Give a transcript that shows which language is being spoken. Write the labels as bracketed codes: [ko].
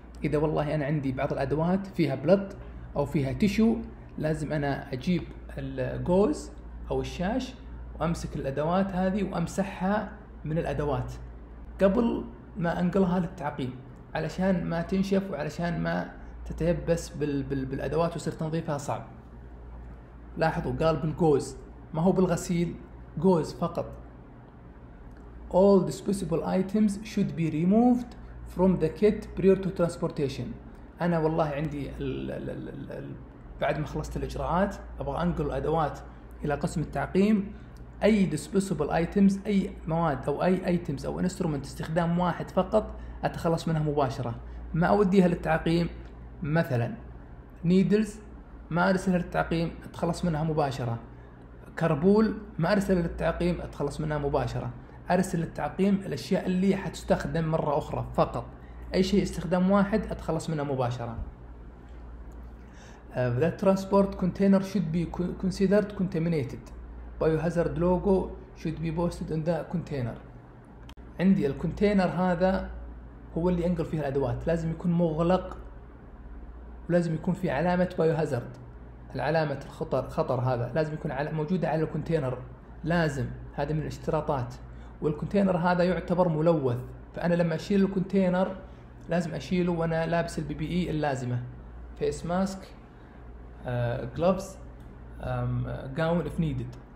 [ar] إذا والله أنا عندي بعض الأدوات فيها بلد أو فيها تيشو، لازم أنا أجيب الجوز أو الشاش وأمسك الأدوات هذه وأمسحها من الأدوات قبل ما أنقلها للتعقيم علشان ما تنشف وعلشان ما تتيبس بالأدوات وصير تنظيفها صعب. لاحظوا قال بالجوز ما هو بالغسيل، جوز فقط. [en] All disposable items should be removed from the kit prior to transportation. [ar] أنا والله عندي الـ بعد ما خلصت الإجراءات أبغى أنقل الأدوات إلى قسم التعقيم، أي [en] disposable items، [ar] أي مواد أو أي items أو instrument استخدام واحد فقط أتخلص منها مباشرة، ما أوديها للتعقيم. مثلا needles ما أرسلها للتعقيم أتخلص منها مباشرة، كربول ما أرسل للتعقيم أتخلص منها مباشرة، أرسل للتعقيم الأشياء اللي حتستخدم مرة أخرى فقط، أي شيء استخدام واحد أتخلص منها مباشرة. [en] That transport container should be considered contaminated. Biohazard logo should be posted on the container. [ar] عندي الكونتينر هذا هو اللي أنقل فيه الأدوات، لازم يكون مغلق ولازم يكون فيه علامة biohazard، العلامة الخطر، خطر هذا لازم يكون موجودة على الكونتينر، لازم، هذا من الاشتراطات. والكونتينر هذا يعتبر ملوث، فأنا لما أشيل الكونتينر لازم أشيله وأنا لابس البي بي إي اللازمة، [en] Face mask, gloves, gown if needed.